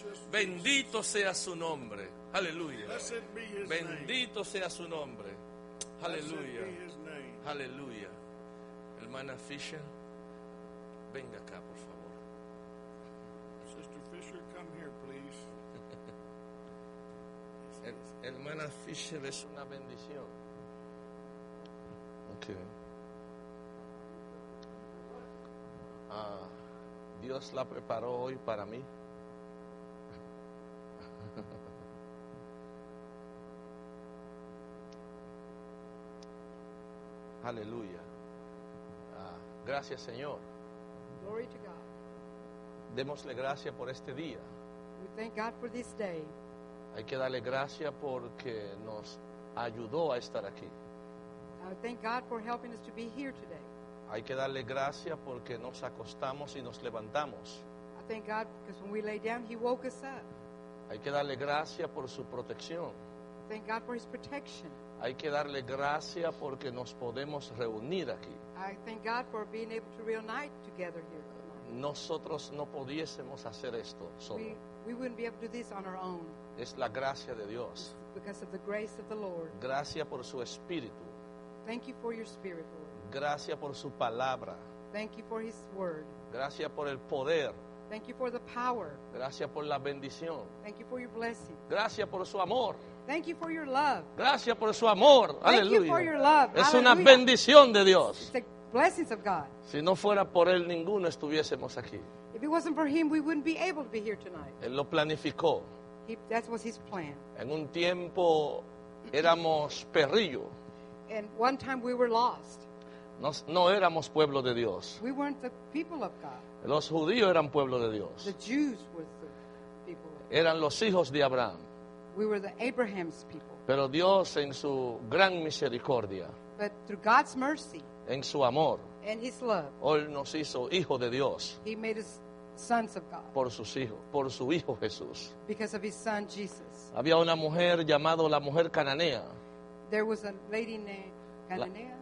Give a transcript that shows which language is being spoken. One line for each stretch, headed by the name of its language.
Spanish: Bendito sea su nombre, aleluya. Bendito sea su nombre, aleluya. Aleluya. Hermana Fisher. Venga acá, por favor.
English: Sister Fisher, come here, please.
Spanish: Hermana Fisher es una bendición.
English: Okay.
Spanish: Dios la preparó hoy para mí. Aleluya. Gracias, Señor.
English: Glory to God.
Spanish: Démosle gracias por este día.
English: We thank God for this day.
Spanish: Hay que darle gracias porque nos ayudó a estar aquí.
English: Thank God for helping us to be here today.
Spanish: Hay que darle gracias porque nos acostamos y nos levantamos.
English: I thank God because when we lay down, He woke us up.
Spanish: Hay que darle gracias por su protección.
English: Thank God for His protection.
Spanish: Hay que darle gracias porque nos podemos reunir aquí.
English: I thank God for being able to reunite together here.
Spanish: Nosotros no pudiésemos hacer esto solo.
English: We wouldn't be able to do this on our own.
Spanish: Es la gracia de Dios.
English: It's because of the grace of the Lord.
Spanish: Gracias por su espíritu.
English: Thank you for your spirit, Lord.
Spanish: Gracias por su palabra.
English: Thank you for His word.
Spanish: Gracias por el poder.
English: Thank you for the power.
Spanish: Gracias por la bendición.
English: Thank you for your blessing.
Spanish: Gracias por su amor.
English: Thank you for your love.
Spanish: Gracias por su amor.
English: Thank
Spanish: Aleluya.
English: You for your love.
Spanish: Es una bendición de Dios.
English: It's the blessings of God.
Spanish: Si no fuera por él, ninguno estuviésemos aquí.
English: If it wasn't for him, we wouldn't be able to be here tonight.
Spanish: Él lo planificó.
English: That was his plan.
Spanish: En un tiempo éramos perrillo.
English: And one time we were lost.
Spanish: No éramos pueblo de Dios.
English: We weren't the people of God.
Spanish: Los judíos eran pueblo de Dios.
English: The Jews were the people.
Spanish: Eran los hijos de Abraham.
English: We were the Abraham's people.
Spanish: Pero Dios en su gran misericordia.
English: But through God's mercy.
Spanish: En su amor.
English: And His love.
Spanish: Hoy nos hizo hijo de Dios.
English: He made us sons of God.
Spanish: Por su hijo Jesús.
English: Because of His son Jesus.
Spanish: Había una mujer llamada la mujer cananea.
English: There was a lady named Cananea.